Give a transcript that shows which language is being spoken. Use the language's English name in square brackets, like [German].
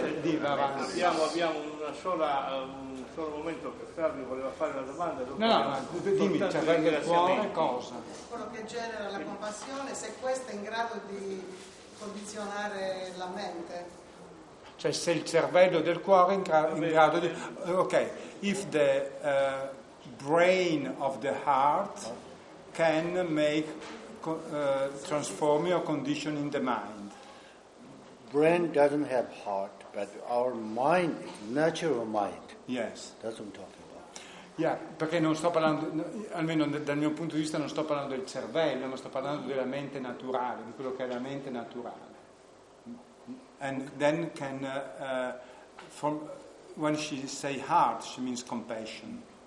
[Italian] abbiamo una sola al momento, che Fabio voleva fare una domanda. Dimmi, c'è anche la cuore, cosa? Quello che genera la compassione, se questa è in grado di condizionare la mente. Cioè, se il cervello del cuore è in grado di... [English] Ok, if the brain of the heart can make, transform your condition in the mind. Brain doesn't have heart, but our mind, natural mind. Yes, that's what I'm talking about. [Italian] Yeah, perché non sto parlando, almeno dal mio punto di vista, non sto parlando del cervello, ma sto parlando della mente naturale, di quello che è la mente naturale. [English] And then can from when she say heart, she means compassion.